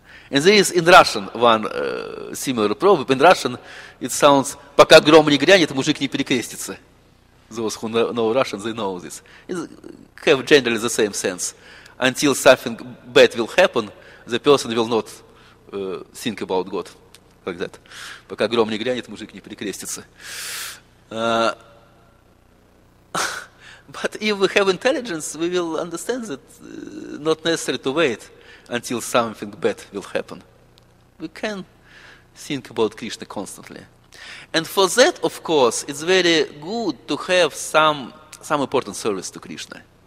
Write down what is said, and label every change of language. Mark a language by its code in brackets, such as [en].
[en] And there is in Russian one similar proverb. In Russian it sounds, [ru] пока гром не грянет, мужик не перекрестится. [en] Those who know Russian, they know this. It have generally the same sense. Until something bad will happen, the person will not think about God. Like that. [ru] Пока гром не грянет, мужик не перекрестится. [en] But if we have intelligence, we will understand that not necessary to wait until something bad will happen. We can think about Krishna constantly. And for that, of course, it's very good to have some important service to Krishna.